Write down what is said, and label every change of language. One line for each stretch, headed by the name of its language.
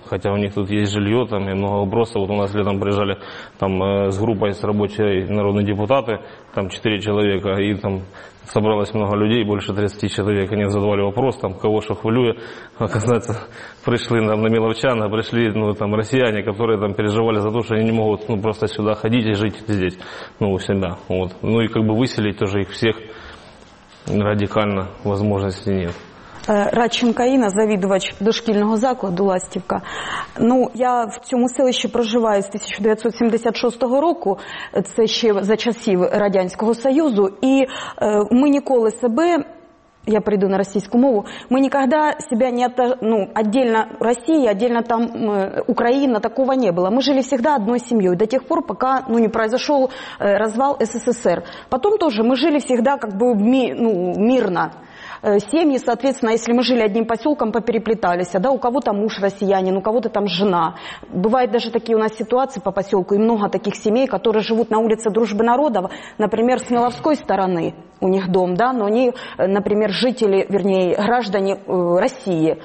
Russian: Хотя у них тут есть жилье, там и много вопросов. Вот у нас летом приезжали там с группой, с рабочей народные депутаты, там 4 человека, и там собралось много людей, больше 30 человек, они задавали вопрос, там, кого что хвилюет. Оказывается, пришли там, на меловчан, а пришли там, россияне, которые там переживали за то, что они не могут просто сюда ходить и жить здесь, у себя. Вот. Ну и как бы выселить тоже их всех радикально, возможности нет.
Ukrainian: Радченко Інна, завідувач дошкільного закладу «Ластівка». Ну, я в цьому селищі проживаю з 1976 року, це ще за часів Радянського Союзу, і ми ніколи себе, я прийду на російську мову, ми ніколи себе не віддільно Росії, віддільно там Україна, такого не було. Ми жили завжди одною сім'єю, до тих пор, поки не пройшов розвал СССР. Потім теж ми жили завжди мирно.
Russian: Семьи, соответственно, если мы жили одним поселком, попереплетались. Да, у кого-то муж россиянин, у кого-то там жена. Бывают даже такие у нас ситуации по поселку, и много таких семей, которые живут на улице Дружбы Народов, например, с Меловской стороны у них дом, да, но они, например, жители, вернее, граждане России.